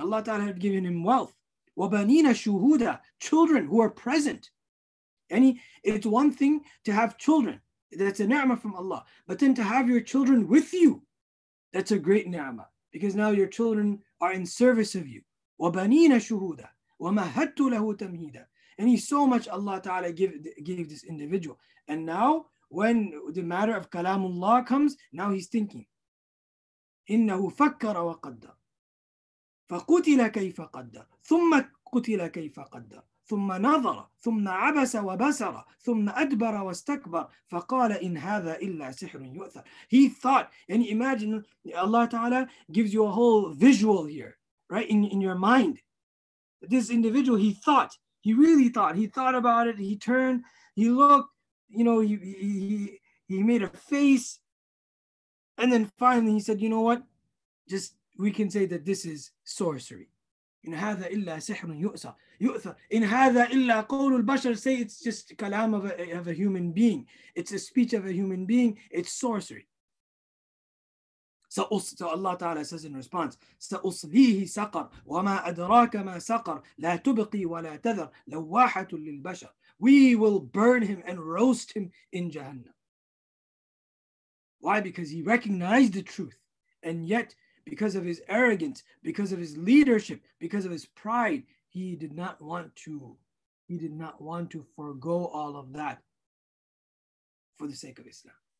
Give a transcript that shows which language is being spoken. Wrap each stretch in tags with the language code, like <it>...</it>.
<en>Allah Ta'ala had given him wealth.</en> <ar>وبنين شهودا,</ar> <en>children who are present.</en> <ar>يعني</ar> <en>it's one thing to have children. That's a ni'mah from Allah. But then to have your children with you, that's a great ni'mah. Because now your children are in service of you.</en> <ar>وبنين شهودا ومهدت له تمهيدا.</ar> <en>And he so much Allah Ta'ala gave this individual. And now when the matter of Kalamullah comes, now he's thinking.</en> <ar>إنه فكر وقدر فقتل كيف قدر ثم قتل كيف قدر ثم نظر ثم عبس وبصر ثم أدبر واستكبر فقال إن هذا إلا سحر يؤثر.</ar> <en>He thought, and imagine Allah Ta'ala gives you a whole visual here, right, in your mind. This individual, he thought, he really thought, he thought about it, he turned, he looked, you know, he made a face. And then finally he said, you know what? Just, we can say that this is sorcery.</en> <ar>In هذا إلا سحر يؤثر. In هذا إلا قول البشر.</ar> <en>Say it's just kalam of a human being. It's a speech of a human being. It's sorcery. So Allah Ta'ala says in response,</en> <ar>سأصليه سقر وما أدراك ما سقر لا تبقي ولا تذر لواحة للبشر.</ar> <en>We will burn him and roast him in Jahannam. Why? Because he recognized the truth. And yet, because of his arrogance, because of his leadership, because of his pride, he did not want to forego all of that for the sake of Islam.</en>